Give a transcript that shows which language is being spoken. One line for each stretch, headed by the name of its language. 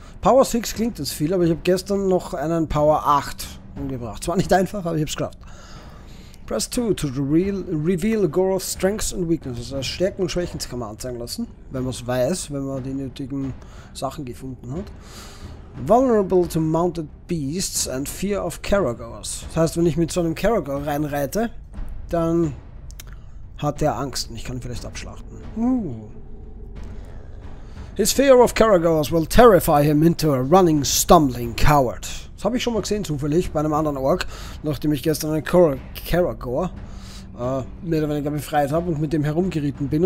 German: Power 6 klingt jetzt viel, aber ich habe gestern noch einen Power 8 umgebracht. Zwar nicht einfach, aber ich habe es geschafft.
English: Press 2 to reveal Goroth's Strengths and Weaknesses.
German: Also Stärken und Schwächen kann man anzeigen lassen, wenn man es weiß, wenn man die nötigen Sachen gefunden hat.
English: Vulnerable to Mounted Beasts and Fear of Caragors.
German: Das heißt, wenn ich mit so einem Caragor reinreite, dann hat der Angst und ich kann ihn vielleicht abschlachten.
English: His fear of Karagors will terrify him into a running, stumbling coward.
German: Das habe ich schon mal gesehen, zufällig, bei einem anderen Ork, nachdem ich gestern einen Karagor mehr oder weniger befreit habe und mit dem herumgeritten bin.